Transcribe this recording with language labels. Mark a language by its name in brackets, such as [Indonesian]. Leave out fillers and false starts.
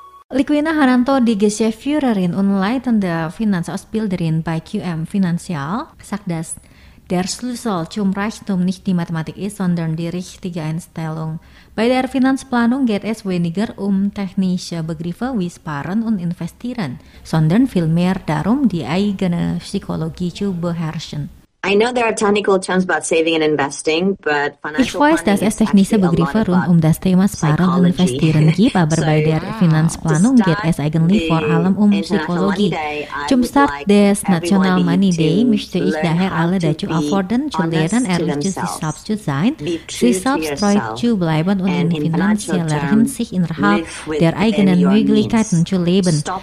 [German] Liquina Haranto di Geschäftsführerin und leitende Finanzausbilderin bei QM Finanzial sagt, dass der Schlüssel zum Reichtum nicht die Mathematik ist, sondern die richtige Einstellung. Bei der Finanzplanung geht es weniger um technische Begriffe wie Sparen und Investieren, sondern vielmehr darum, die eigene Psychologie zu beherrschen. [English] I know there are technical terms about saving and investing, but financial [German] Ich weiß, dass es technische Begriffe rund um das Thema Sparen und Investieren gibt, aber bei der Finanzplanung geht es eigentlich vor allem um Psychologie. Zum Start des National Money Day möchte ich daher alle dazu auffordern, zu lernen, ehrlich zu sich selbst zu sein, sich selbst treu zu bleiben und in finanzieller Hinsicht innerhalb der eigenen Möglichkeiten zu leben.